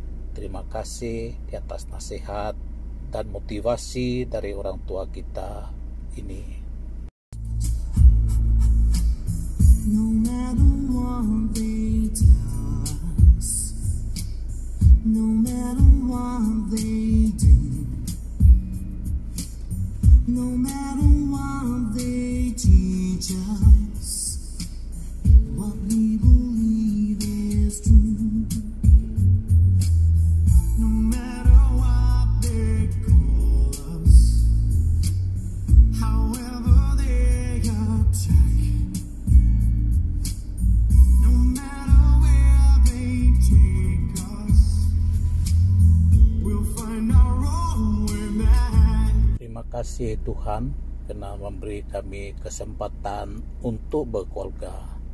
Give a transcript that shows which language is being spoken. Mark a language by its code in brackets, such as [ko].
[id] Terima kasih di atas nasihat dan motivasi dari orang tua kita ini. [en] No matter what they tell us, no matter what they do, no matter what they teach us, what we believe is true. No matter what they call us, however they attack, no matter where they take us, we'll find our own way back. [id] Terima kasih Tuhan karena memberi kami kesempatan untuk berkeluarga.